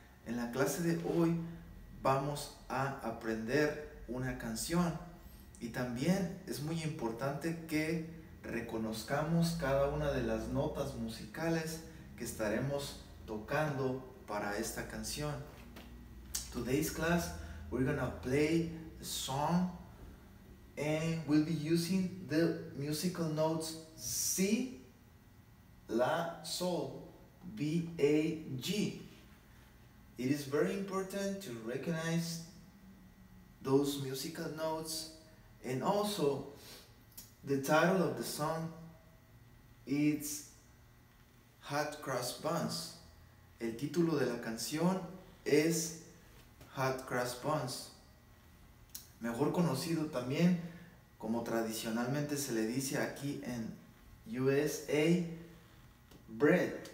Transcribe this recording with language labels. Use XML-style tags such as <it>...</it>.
<es>En la clase de hoy vamos a aprender una canción. Y también es muy importante que reconozcamos cada una de las notas musicales que estaremos tocando para esta canción.</es> <en>Today's class, we're gonna play a song and we'll be using the musical notes C, La, Sol, B, A, G. It is very important to recognize those musical notes, and also the title of the song is Hot Cross Buns.</en> <es>El título de la canción es Hot Cross Buns, mejor conocido también como tradicionalmente se le dice aquí en USA, bread.</es>